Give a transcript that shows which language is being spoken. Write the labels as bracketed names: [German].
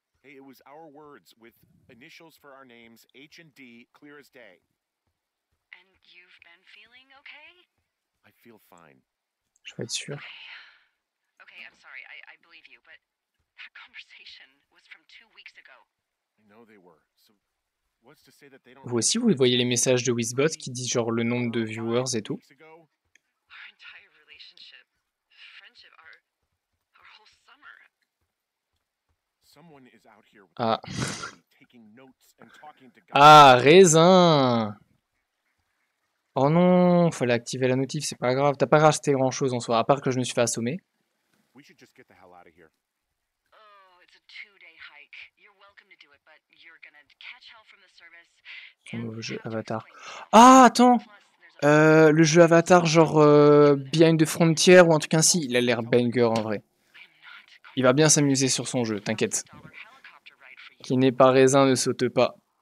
[English] Hey, it was our words with initials for our names, H and D, clear as day. You've been feeling okay? I feel fine. [French] Je vais être sûr. [English] Okay, I'm sorry. I believe you, but that conversation was from 2 weeks ago. I know they were. So what's to say that they don't... [French] Vous aussi, vous voyez les messages de Wizbot qui disent genre le nombre de viewers et tout. [English] Our entire relationship, friendship, our whole summer. Someone is out here taking notes and talking to God. Ah, raisin. [French] Oh non, fallait activer la notif, c'est pas grave, t'as pas rajouté grand chose en soi, à part que je me suis fait assommer. [English] We should just get the hell out of here. Oh, it's a 2-day hike. You're welcome to do it, but you're gonna catch hell from the service. [French] Ton nouveau jeu Avatar. Ah, attends, le jeu Avatar, genre Behind the Frontier ou un truc ainsi, il a l'air banger en vrai. Il va bien s'amuser sur son jeu, t'inquiète. Qui n'est pas raisin ne saute pas.